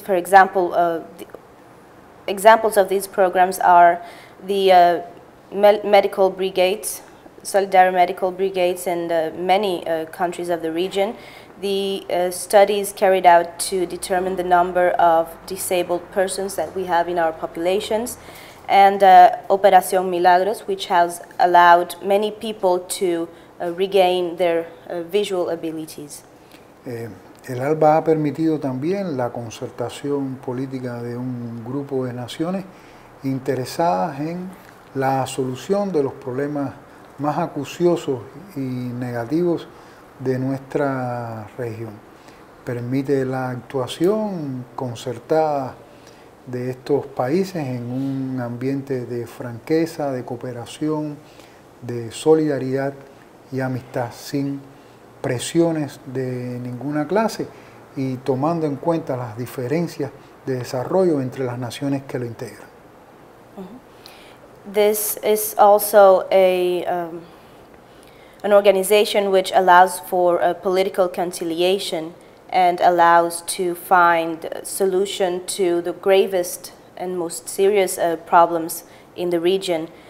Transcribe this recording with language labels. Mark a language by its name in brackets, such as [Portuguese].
[English] For example, examples of these programs are the medical brigades, solidarity medical brigades in many countries of the region, the studies carried out to determine the number of disabled persons that we have in our populations, and Operación Milagros, which has allowed many people to regain their visual abilities. [Spanish] El ALBA ha permitido también la concertación política de un grupo de naciones interesadas en la solución de los problemas más acuciosos y negativos de nuestra región. Permite la actuación concertada de estos países en un ambiente de franqueza, de cooperación, de solidaridad y amistad, sin presiones de ninguna clase y tomando en cuenta las diferencias de desarrollo entre las naciones que lo integran. [English] This is also an organization which allows for a political conciliation and allows to find a solution to the gravest and most serious problems in the region,